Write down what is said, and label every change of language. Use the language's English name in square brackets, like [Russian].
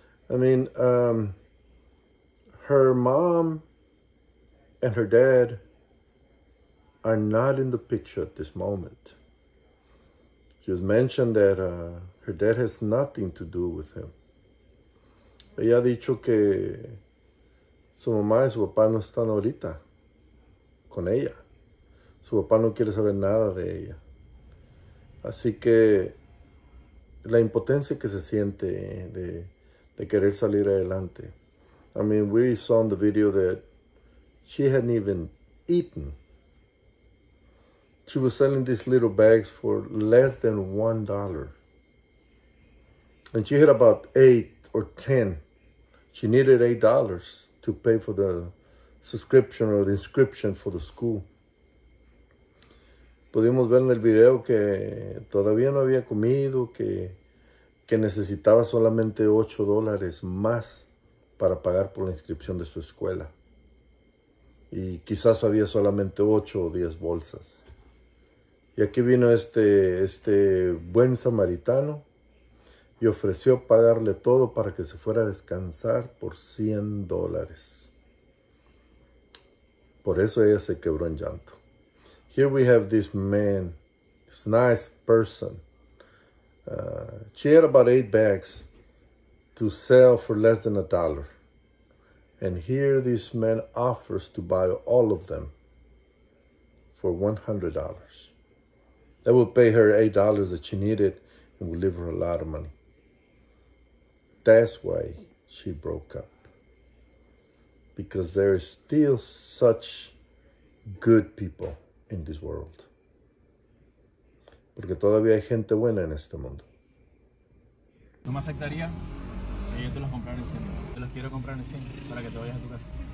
[English] I mean, her mom and her dad are not in the picture at this moment. She has mentioned that her dad has nothing to do with him. [Spanish] Ella ha dicho que su mamá y su papá no están ahorita con ella. Su papá no quiere saber nada de ella. Así que la impotencia que se siente de querer salir adelante. [English] I mean, we saw in the video that she hadn't even eaten. She was selling these little bags for less than $1. And she had about 8 or 10. She needed $8 to pay for the subscription or the inscription for the school. [Spanish] Pudimos ver en el video que todavía no había comido, que necesitaba solamente $8 más para pagar por la inscripción de su escuela. Y quizás había solamente 8 o 10 bolsas. Y aquí vino este buen samaritano y ofreció pagarle todo para que se fuera a descansar por $100. Por eso ella se quebró en llanto. [English] Here we have this man, this nice person. She had about 8 bags to sell for less than $1. And here this man offers to buy all of them for $100. That would pay her $8 that she needed and would leave her a lot of money. That's why she broke up. Because there is still such good people in this world. [Spanish] Porque todavía hay gente buena en este mundo. ¿No me aceptaría? Yo te los compraré en el centro. Te los quiero comprar en el centro para que te vayas a tu casa.